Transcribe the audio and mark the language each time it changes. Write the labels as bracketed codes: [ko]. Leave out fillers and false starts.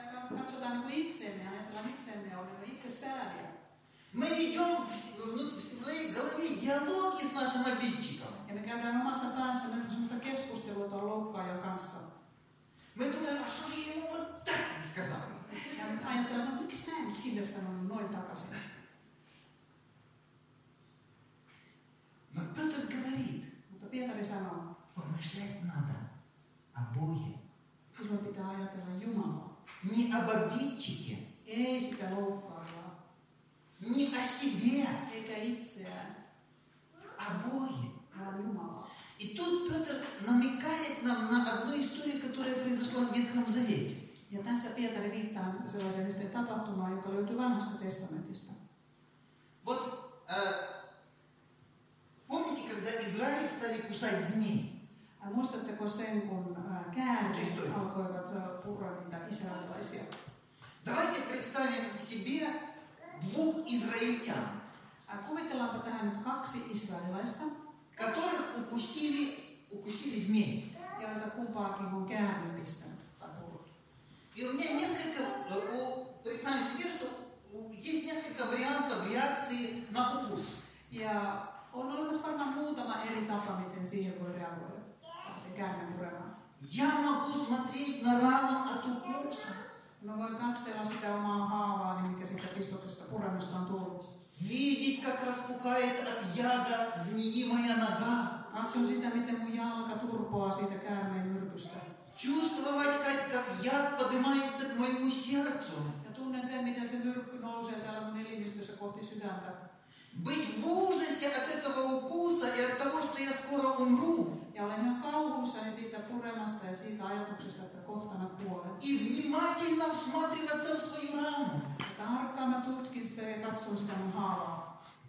[fi] Me katsotaan niin kuin itseemme, ajatellaan itseemme ja olemme itse sääliä. [ru] Мы ведем в своей голове диалоги с нашим обидчиком. [fi] Ja me käydään omassa päässämme semmoista keskustelua tuon loukkaajan kanssa. [ru] Мы думаем, а что же я ему вот так не сказал? [fi] Ja ajatellaan, no miksi mä en nyt sille sanonut noin takaisin? [ru] Но Петр говорит, [fi] mutta Pietari sanoo, [ru] помышлять надо о Боге. [fi] Silloin pitää ajatella Jumalaa. [ru] Не об обидчике. [fi] Ei sitä loukkaajaa. [ru] Не о себе. [fi] Eikä itseään. [ru] О Боге. [fi] Vaan Jumalaa. [ru] И тут Петр намекает нам на одну историю, которая произошла в Ветхом Завете. [fi] Ja tässä Pietari viittaa sellaiseen yhteen tapahtumaan, joka löytyy Vanhasta testamentista. [ru] Вот, помните, когда Израиль стали кусать змеи? [fi] Muistatteko sen, kun käärmeet alkoivat purra niitä israelilaisia? [ru] Давайте представим себе двух израильтян. [fi] Kuvitellaanpa tähän nyt kaksi israelilaista, [ru] которых укусили змеи. [fi] Joita kumpaakin on käärme pistänyt. [ru] И у меня несколько, представим себе, что есть несколько вариантов реакции на укус. [fi] Ja on olemassa varmaan muutama eri tapa, miten siihen voi reagoida, se käärmeen puremaan. [ru] Я могу смотреть на рану от укуса. [fi] Mä voin katsella sitä omaa haavaani, mikä siitä pistoksesta puremasta on tullut. [ru] Видеть, как распухает от яда змеи моя нога. [fi] Katson sitä, miten mun jalka turpoaa siitä käärmeen myrkystä. [ru] Чувствовать, как яд поднимается к моему сердцу. [fi] Я tunnen sen, miten se myrkky nousee täällä mun elimistössä kohti sydäntä. [ru] Быть в ужасе от этого укуса и от того, что я скоро умру. [fi] Ja olen ihan kauhuissani siitä puremasta ja siitä ajatuksesta, että kohta mä kuolen. [ru] И внимательно всматриваться в свою рану. [fi] Tarkkaan mä tutkin sitä ja katson sitä mun haavaa.